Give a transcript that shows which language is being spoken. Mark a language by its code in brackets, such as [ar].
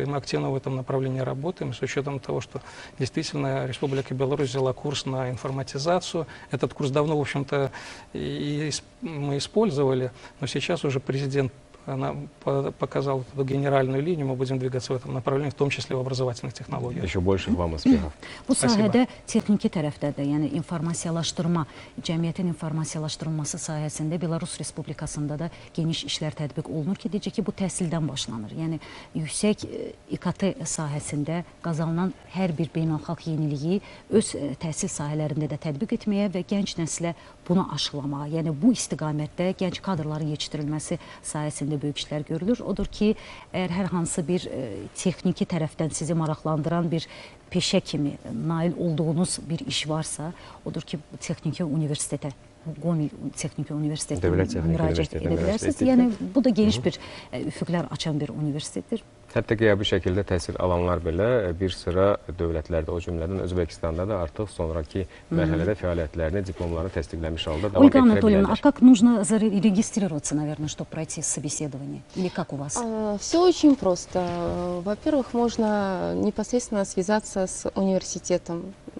[ru] И мы активно в этом направлении работаем, с учетом того, что действительно Республика Беларусь взяла курс на информатизацию. Этот курс давно, в общем-то, и мы использовали, но сейчас уже президент она показала эту генеральную линию, мы будем двигаться в этом направлении, в том числе в образовательных технологиях. Еще больше вам успехов. [az] Bu sahədə texniki tərəfdə də, yəni informasiyalaşdırma, cəmiyyətin informasiyalaşdırılması sahəsində Belarus Respublikasında da geniş işlər tətbiq olunur ki, deyəcək ki, bu təhsildən başlanır. Yəni yüksək IKT sahəsində qazanılan hər bir beynəlxalq yeniliyi öz təhsil sahələrində də tətbiq etməyə və gənc nəslə bunu aşılamağa, yəni bu istiqamətdə gənc kadrların yetişdirilməsi sahəsində böyük işlər görülür. Odur ki, əgər hər hansı bir texniki tərəfdən sizi maraqlandıran bir peşə kimi nail olduğunuz bir iş varsa, odur ki, texniki universitetə, Qomi Texniki Universitetə müraciət edə bilərsiniz. Yəni bu da geniş bir üfüqlər açan bir universitetdir. Hətta qeyabi şəkildə təhsil alanlar belə bir sıra dövlətlərdə, o cümlədən Özbəkistanda da artıq sonraki mərhələdə fəaliyyətlərini, diplomlarını təsdiqləmiş halda davam Ольга etdirə bilərlər. [ru] Ольга Анатольевна, а как нужно зарегистрироваться, наверное, чтобы пройти собеседование? Или как у вас? Все очень просто. Во-первых, можно непосредственно связаться с университетом.